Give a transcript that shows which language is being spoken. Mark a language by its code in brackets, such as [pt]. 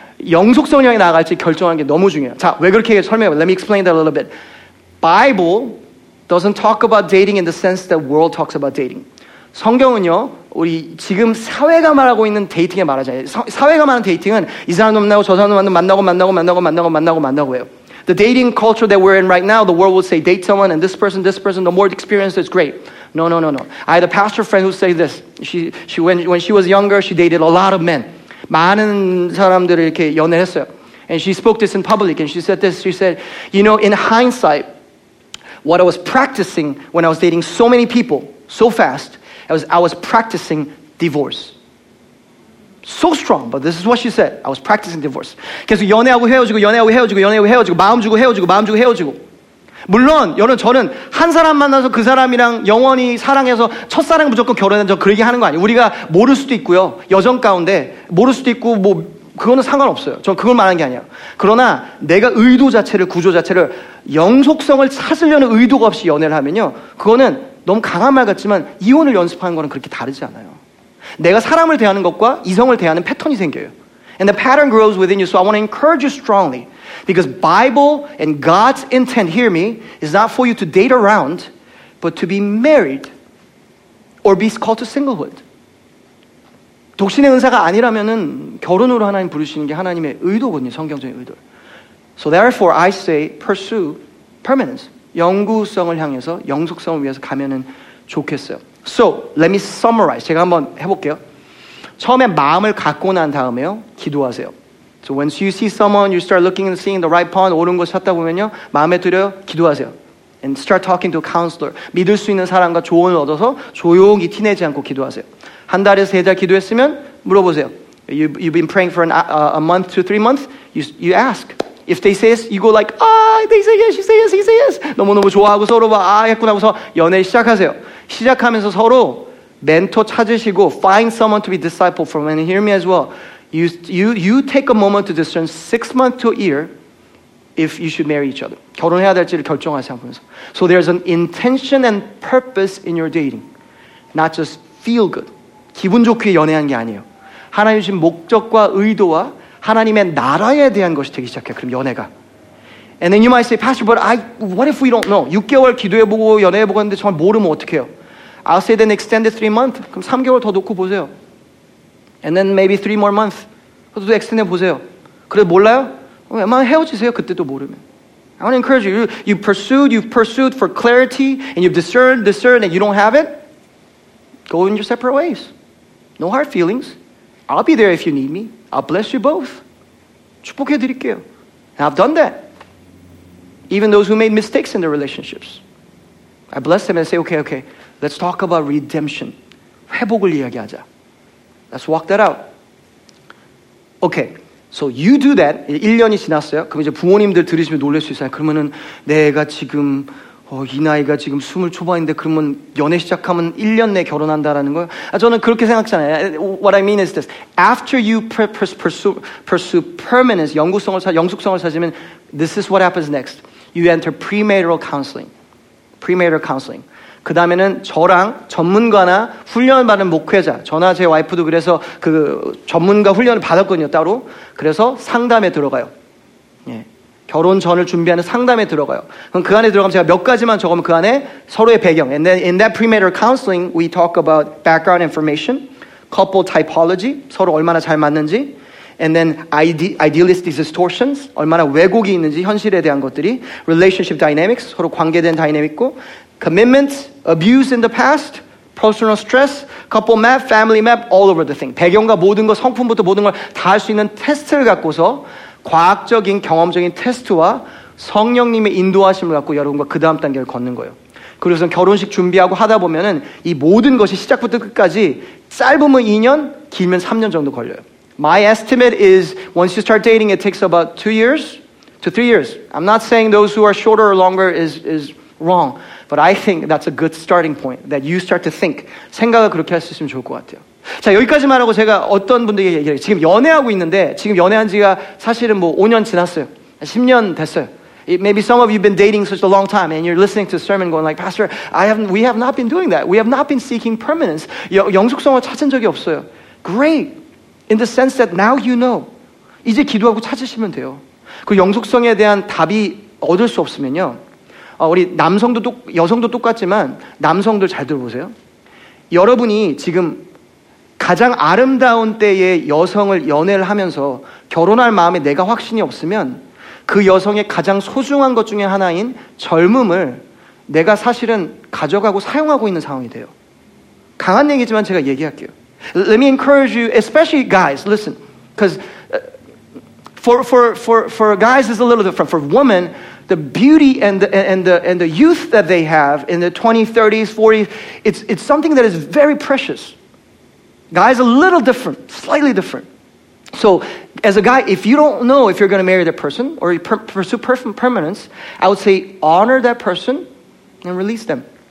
[ko] 영속성을 향해 나갈지 결정하는 게 너무 중요해요. 자, 왜 그렇게 설명해요? [en] Let me explain that a little bit. Bible doesn't talk about dating in the sense that world talks about dating. [ko] 성경은요, 우리 지금 사회가 말하고 있는 데이팅에 말하잖아요. 사회가 말하는 데이팅은 이 사람도 만나고 저 사람도 만나고 만나고 만나고 만나고 만나고 만나고 만나고 해요. [en] The dating culture that we're in right now, the world will say date someone and this person, the more experience is great. No. I had a pastor friend who said this. When she was younger, she dated a lot of men. [ko] 많은 사람들을 이렇게 연애했어요. [en] And she spoke this in public and she said, you know, in hindsight, what I was practicing when I was dating so many people, so fast, I was practicing divorce. So strong, but this is what she said. I was practicing divorce. [ko] 계속 연애하고 헤어지고, 마음 주고 헤어지고. 물론, 여러분, 저는 한 사람 만나서 그 사람이랑 영원히 사랑해서 첫사랑 무조건 결혼해서 그 얘기 하는 거 아니에요. 우리가 모를 수도 있고요. 여정 가운데 모를 수도 있고, 뭐, 그거는 상관없어요. 저는 그걸 말하는 게 아니에요. 그러나, 내가 의도 자체를, 구조 자체를 영속성을 찾으려는 의도가 없이 연애를 하면요. 그거는 너무 강한 말 같지만 이혼을 연습하는 거는 그렇게 다르지 않아요. 내가 사람을 대하는 것과 이성을 대하는 패턴이 생겨요. [en] And the pattern grows within you. So I want to encourage you strongly. Because Bible and God's intent, hear me, is not for you to date around, but to be married or be called to singlehood. [ko] 독신의 은사가 아니라면은 결혼으로 하나님 부르시는 게 하나님의 의도거든요. 성경적인 의도. [en] So therefore, I say pursue permanence. [ko] 영구성을 향해서, 영속성을 위해서 가면은 좋겠어요. [en] So, let me summarize. [ko] 제가 한번 해볼게요. 처음에 마음을 갖고 난 다음에요, 기도하세요. [en] So once you see someone, you start looking and seeing the right pond, [ko] 옳은 곳 찾다 보면요, 마음에 들어요, 기도하세요. [en] And start talking to a counselor. [ko] 믿을 수 있는 사람과 조언을 얻어서 조용히 티내지 않고 기도하세요. 한 달에서 세 달 기도했으면 물어보세요. [en] You've been praying for a month to 3 months, you ask. If they say yes, you go like, they say yes, you say yes, he say yes. [ko] 너무너무 좋아하고 서로 막, 했구나 하고서 연애 시작하세요. 시작하면서 서로 멘토 찾으시고, [en] find someone to be disciple from, and hear me as well. You take a moment to discern 6 months to a year if you should marry each other. [ko] 결혼해야 될지를 결정하세요. 하면서. [en] So there's an intention and purpose in your dating. Not just feel good. [ko] 기분 좋게 연애한 게 아니에요. 하나님 주신 목적과 의도와 하나님의 나라에 대한 것이 되기 시작해요. 그럼 연애가. [en] And then you might say, Pastor, but what if we don't know? [ko] 6개월 기도해보고 연애해보고 했는데 정말 모르면 어떡해요? [en] I'll say then extend it 3 months. [ko] 그럼 3개월 더 놓고 보세요. [en] And then maybe three more months. [ko] 그것도 엑스텐 해보세요. 그래 몰라요? 웬만하면 헤어지세요. 그때도 모르면. [en] I want to encourage you. You pursued for clarity, and you've discerned, and you don't have it. Go in your separate ways. No hard feelings. I'll be there if you need me. I'll bless you both. [ko] 축복해드릴게요. [en] And I've done that. Even those who made mistakes in their relationships. I bless them and say, okay, let's talk about redemption. [ko] 회복을 이야기하자. [en] Let's walk that out. Okay. So you do that. [ko] 1년이 지났어요. 그럼 이제 부모님들 들으시면 놀랄 수 있어요. 그러면은 내가 지금 이 나이가 지금 스물 초반인데 그러면 연애 시작하면 1년 내에 결혼한다라는 거예요? 아, 저는 그렇게 생각하잖아요. [en] What I mean is this. After you pursue permanence, [ko] 영숙성을 찾으면 [en] this is what happens next. You enter premarital counseling. Premarital counseling. [ko] 그 다음에는 저랑 전문가나 훈련받은 목회자, 저나 제 와이프도 그래서 그 전문가 훈련을 받았거든요, 따로. 그래서 상담에 들어가요. 예. 결혼 전을 준비하는 상담에 들어가요. 그럼 그 안에 들어가면 제가 몇 가지만 적으면 그 안에 서로의 배경. [en] And then in that premarital counseling, we talk about background information, couple typology, [ko] 서로 얼마나 잘 맞는지, [en] and then idealistic distortions, [ko] 얼마나 왜곡이 있는지, 현실에 대한 것들이, [en] relationship dynamics, [ko] 서로 관계된 다이내믹고, [en] commitment, abuse in the past, personal stress, couple map, family map, all over the thing. [ko] 배경과 모든 거, 성품부터 모든 걸 다 할 수 있는 테스트를 갖고서 과학적인, 경험적인 테스트와 성령님의 인도하심을 갖고 여러분과 그 다음 단계를 걷는 거예요. 그래서 결혼식 준비하고 하다 보면은 이 모든 것이 시작부터 끝까지 짧으면 2년, 길면 3년 정도 걸려요. [en] My estimate is once you start dating, it takes about 2 years to 3 years. I'm not saying those who are shorter or longer is wrong. But I think that's a good starting point, that you start to think. [ko] 생각을 그렇게 할 수 있으면 좋을 것 같아요. 자, 여기까지만 하고 제가 어떤 분들에게 얘기해요. 지금 연애하고 있는데, 지금 연애한 지가 사실은 뭐 5년 지났어요. 10년 됐어요. [en] Maybe some of you have been dating such a long time, and you're listening to a sermon going like, Pastor, we have not been doing that. We have not been seeking permanence. [ko] 영숙성을 찾은 적이 없어요. [en] Great. In the sense that now you know. [ko] 이제 기도하고 찾으시면 돼요. 그 영숙성에 대한 답이 얻을 수 없으면요. 우리 남성도 여성도 똑같지만 남성들 잘 들어보세요. 여러분이 지금 가장 아름다운 때의 여성을 연애를 하면서 결혼할 마음에 내가 확신이 없으면 그 여성의 가장 소중한 것 중에 하나인 젊음을 내가 사실은 가져가고 사용하고 있는 상황이 돼요. 강한 얘기지만 제가 얘기할게요. [en] Let me encourage you, especially guys, listen, because for guys it's a little different. For women, the beauty and the youth that they have in the 20s, 30s, 40s, it's something that is very precious. Guys are a little different, slightly different. So as a guy, if you don't know if you're going to marry that person or pursue permanence, I would say honor that person and release them.